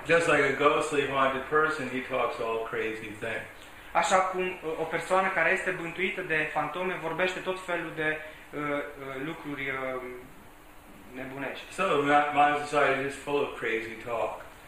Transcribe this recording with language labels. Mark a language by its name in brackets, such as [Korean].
[English] Just like a ghostly haunted person, he talks all crazy things. [Romanian] Așa cum o persoană care este bântuită de fantome vorbește tot felul de lucruri nebunești. [English] So, modern society is full of crazy talk.